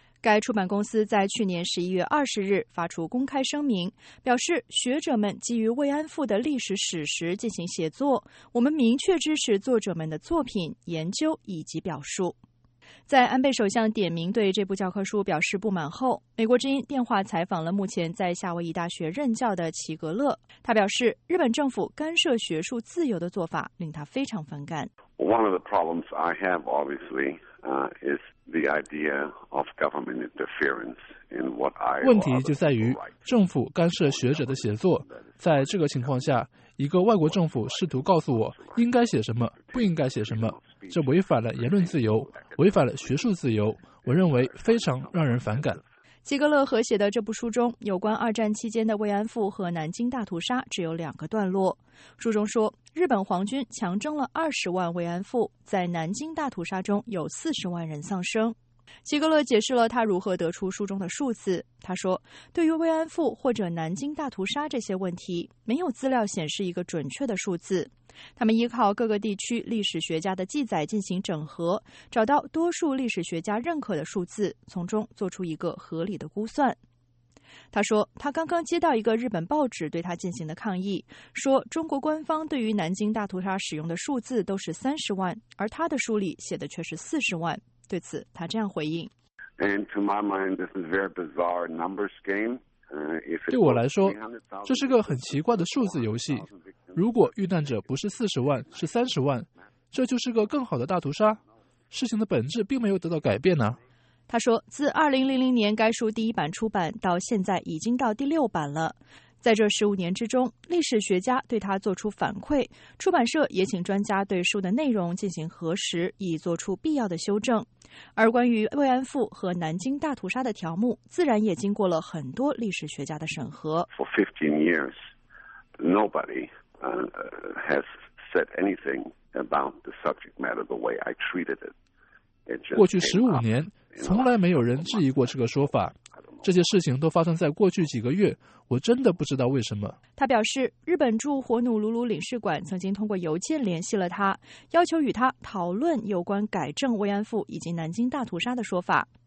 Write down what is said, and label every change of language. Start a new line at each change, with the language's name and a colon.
Chinese: 该出版公司在去年11月20日发出公开声明，表示学者们基于慰安妇的历史史实进行写作，我们明确支持作者们的作品、研究以及表述。在安倍首相点名对这部教科书表示不满后，美国之音电话采访了目前在夏威夷大学任教的齐格勒，他表示日本政府干涉学术自由的做法令他非常反感。
English: One of the problems I have, obviously,is the idea of government interference in what I
Chinese: 问题就在于政府干涉学者的写作。在这个情况下，一个外国政府试图告诉我应该写什么，不应该写什么，这违反了言论自由，违反了学术自由，我认为非常让人反感。齐格勒合写的这部书中，有关二战期间的慰安妇和南京大屠杀只有两个段落。书中说，日本皇军强征了200,000慰安妇，在南京大屠杀中有400,000人丧生。齐格勒解释了他如何得出书中的数字。他说，对于慰安妇或者南京大屠杀这些问题，没有资料显示一个准确的数字。他们依靠各个地区历史学家的记载进行整合，找到多数历史学家认可的数字，从中做出一个合理的估算。他说，他刚刚接到一个日本报纸对他进行的抗议，说中国官方对于南京大屠杀使用的数字都是300,000，而他的书里写的却是400,000。对此，他这样回应。
English: And to my mind, this is a very bizarre numbers game.
Chinese: 对我来说，这是个很奇怪的数字游戏。如果遇难者不是400,000，是300,000，这就是个更好的大屠杀。事情的本质并没有得到改变呢。他说，自2000年该书第一版出版到现在，已经到第6版了。在这15年之中，历史学家对他做出反馈，出版社也请专家对书的内容进行核实，以做出必要的修正。而关于慰安妇和南京大屠杀的条目，自然也经过了很多历史学家的审核。
English: For 15 years, nobody has said anything about the subject matter the way I treated it.
Chinese: 过去15年，从来没有人质疑过这个说法。这些事情都发生在过去几个月，我真的不知道为什么。他表示，日本驻火奴鲁鲁领事馆曾经通过邮件联系了他，要求与他讨论有关改正慰安妇以及南京大屠杀的说法。